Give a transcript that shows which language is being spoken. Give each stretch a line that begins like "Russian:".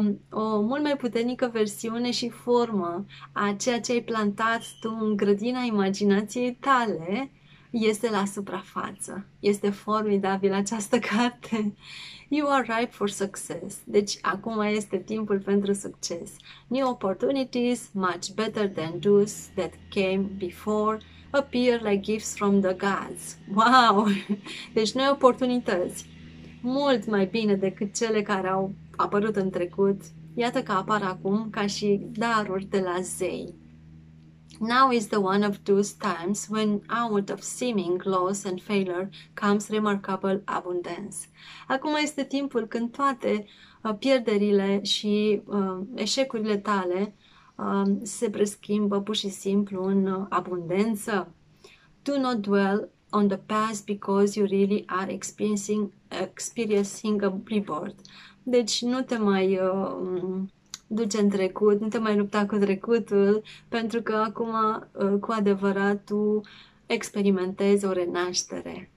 Romanian: O mult mai puternică versiune și formă a ceea ce ai plantat tu în grădina imaginației tale este la suprafață. Este formidabilă această carte.
English: You are ripe for success.
Romanian: Deci acum este timpul pentru succes.
English: New opportunities, much better than those that came before, appear like gifts from the gods.
Romanian: Wow! Deci noi oportunități. Mult mai bine decât cele care au apărut în trecut, iată că apar acum ca și daruri de la zei.
English: Now is the one of those times when out of seeming loss and failure comes remarkable abundance.
Romanian: Acum este timpul când toate pierderile și eșecurile tale se preschimbă pur și simplu în abundență.
English: Do not dwell on the past because you really are experiencing a rebirth.
Romanian: Deci nu te mai duce în trecut, nu te mai lupta cu trecutul, pentru că acum cu adevărat tu experimentezi o renaștere.